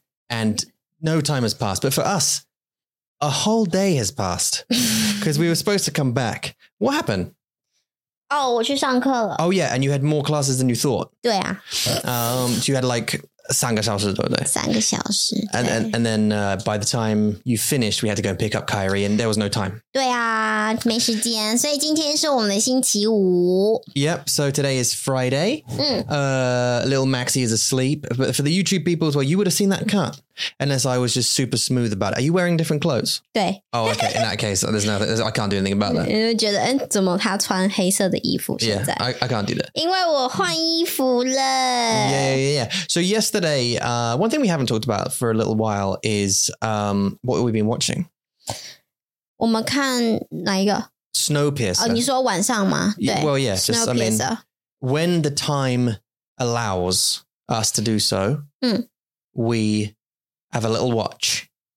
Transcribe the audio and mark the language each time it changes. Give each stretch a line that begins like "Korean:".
English: And no time has passed. But for us, a whole day has passed because we were supposed to come back. What happened?
Chinese: Oh, 我去上课了。
English: Oh, yeah. And you had more classes than you thought.
Chinese: 对啊。
English: So you had like 3 hours,
Chinese: 对不对？三个小时。
English: And then by the time you finished, we had to go and pick up Kyrie and there was no time.
Chinese: 对啊，没时间。所以今天是我们的星期五。
English: Yep, so today is Friday. Little Maxie is asleep. But for the YouTube people as well, you would have seen that cut. Unless I was just super smooth about it. Are you wearing different clothes?
Chinese: 对。
English: Oh, okay. In that case, there's nothing. I can't do anything about that.
Chinese: 因为觉得，怎么他穿黑色的衣服现在？
English: Yeah, I can't do that.
Chinese: 因为我换衣服了。
English: Yeah. So yesterday, one thing we haven't talked about for a little while is what have we been watching?
Chinese: 我们看哪一个？
English: Snowpiercer.
Chinese: 哦，你说晚上吗？对。
English: Well, yeah. Snowpiercer. Just, I mean, when the time allows us to do so, we have a little watch.